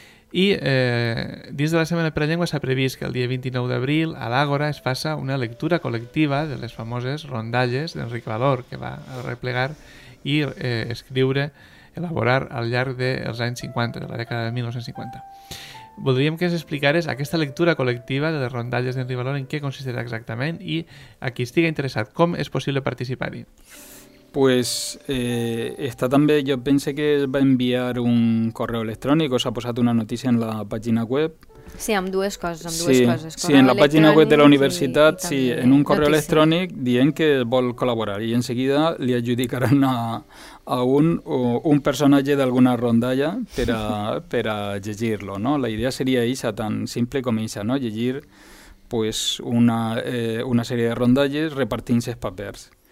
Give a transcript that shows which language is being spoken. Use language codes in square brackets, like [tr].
[ca] I dins de la Setmana per la Llengua s'ha previst que el dia 29 d'abril a l'Àgora es faça una lectura col·lectiva de les famoses rondalles d'Enric Valor, que va replegar i escriure, elaborar al llarg dels anys 50, de la dècada de 1950. Voldríem que ens explicares aquesta lectura col·lectiva de les rondalles d'Enric Valor, en què consistirà exactament i a qui estigui interessat, com és possible participar-hi? [es] Pues está también, yo pensé que va a enviar un correo electrónico, se ha posado una noticia en la página web. [ca] Sí, amb dues coses, amb dues sí, coses. Sí, [es] en la página web [ca] de la universitat, sí, [es] en un correo electrónico [ca] dient que vol col·laborar i enseguida li adjudicaran a un personatge d'alguna rondalla per a llegir-lo, no? La idea seria eixa, tan simple com eixa, no? Llegir pues, una sèrie de rondalles repartint els papers.